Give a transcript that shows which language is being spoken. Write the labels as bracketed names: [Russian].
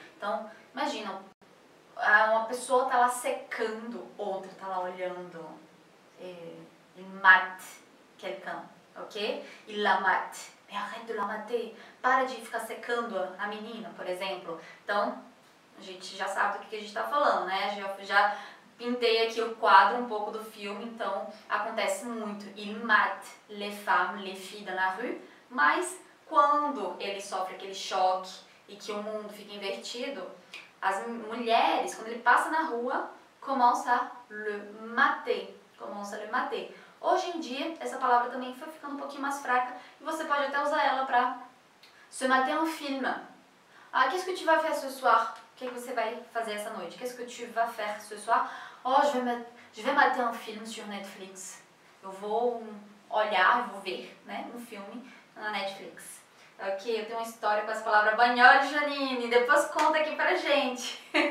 [Portuguese] Então, imagina, uma pessoa tá lá secando, outra tá lá olhando, [French] il mate quelqu'un, [Portuguese] ok? [French] Il la mate. Mais arrête de la mater. [Portuguese] Para de ficar secando a menina, por exemplo. Então, a gente já sabe do que a gente está falando, né? Já pintei aqui o quadro um pouco do filme, então acontece muito. [French] Il mate les femmes, les filles dans la rue. [Portuguese] Mas quando ele sofre aquele choque e que o mundo fica invertido, as mulheres, quando ele passa na rua, [French] commencent à le mater. [Portuguese] Commencent à le mater. Hoje em dia, essa palavra também foi ficando um pouquinho mais fraca e você pode até usar ela para se mater um filme. [French] Ah, qu'est-ce que tu vas faire ce soir? [Portuguese] O que você vai fazer essa noite? [French] Qu'est-ce que tu vas faire ce soir? Oh, je vais mater un film sur Netflix. [Portuguese] Eu vou olhar, vou ver, né, um filme na Netflix. Ok, eu tenho uma história com essa palavra banhol, Janine. Depois conta aqui pra gente.